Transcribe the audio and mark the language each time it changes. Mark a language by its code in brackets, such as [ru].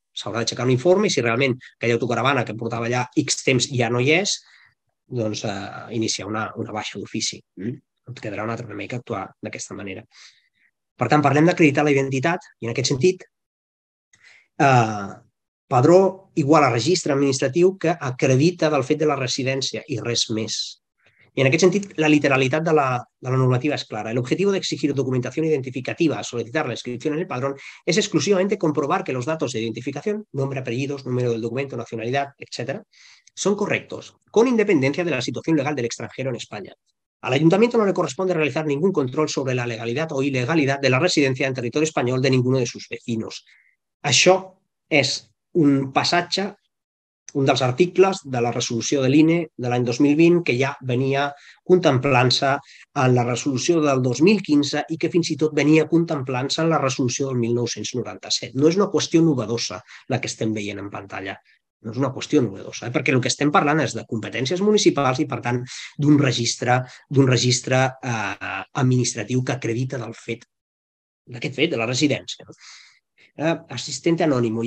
[ca] S'haurà d'aixecar un informe i si realment aquella autocaravana que portava allà X temps ja no hi és, doncs iniciar una baixa d'ofici. Et quedarà una altra mica actuar d'aquesta manera. Per tant, parlem d'acreditar la identitat i, en aquest sentit, padró igual a registre administratiu que acredita del fet de la residència i res més. I en aquest sentit, la literalitat de la normativa és clara. [es] El objetivo de exigir documentación identificativa a solicitar la inscripción en el padrón es exclusivamente comprobar que los datos de identificación, nombre, apellidos, número del documento, nacionalidad, etcétera, son correctos, con independencia de la situación legal del extranjero en España. Al ayuntamiento no le corresponde realizar ningún control sobre la legalidad o ilegalidad de la residencia en territorio español de ninguno de sus vecinos. [ca] Això és un passatge, un dels articles de la resolució de l'INE de l'any 2020 que ja venia contemplant-se en la resolució del 2015 i que fins i tot venia contemplant-se en la resolució del 1997. No és una qüestió novedosa la que estem veient en pantalla. No és una qüestió novedosa, perquè el que estem parlant és de competències municipals i, per tant, d'un registre administratiu que acredita d'aquest fet, de la residència. Assistente anònimo.